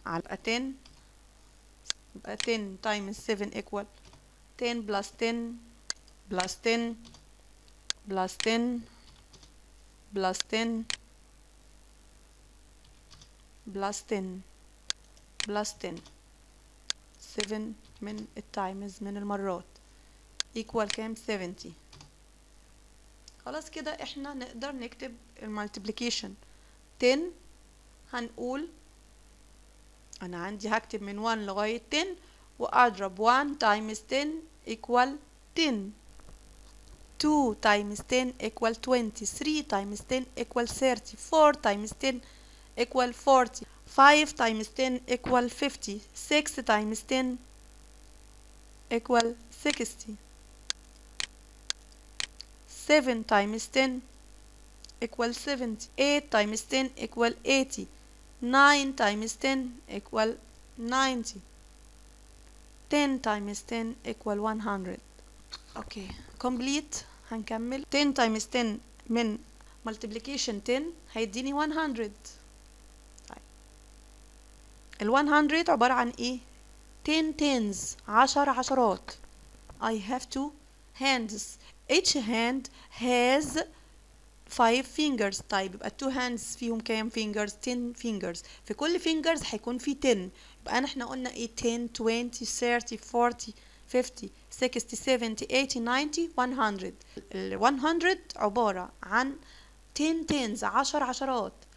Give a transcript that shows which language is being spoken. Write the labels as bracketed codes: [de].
[en] على 10 10 times 7 equal 10 plus 10 plus 10 plus 10 plus 10 plus 10 plus 10 7 [ar] من التايمز من المرات [en] equal كام؟ 70. [ar] خلاص كده احنا نقدر نكتب المالتيبليكيشن. [en] 10 [ar] هنقول انا عندي هكتب من 1 لغاية 10 واضرب [en] 1 times 10 equal 10، 2 times 10 equal 20، 3 times 10 equal 30، 4 times 10 equal 40، 5 times 10 equal 50، 6 times 10 equal 60، 7 times 10 equal 70, 8 times 10 equal 80, 9 times 10 equal 90, 10 times 10 equal 100. Okay, complete. [ar] هنكمل [en] 10 times 10 [ar] من multiplication 10 هيديني 100. ال 100 عبارة عن ايه؟ [en] 10 tens، [ar] 10 عشرات. [en] I have two hands. Each hand has five fingers. [ar] طيب يبقى [en] two hands [ar] فيهم كام fingers؟ [en] 10 fingers. [ar] في كل fingers هيكون في 10. يبقى احنا قلنا ايه؟ 10 20 30 40 50 60 70 80 90 100. ال 100 عبارة عن [en] 10 tens، [ar] 10 عشرات.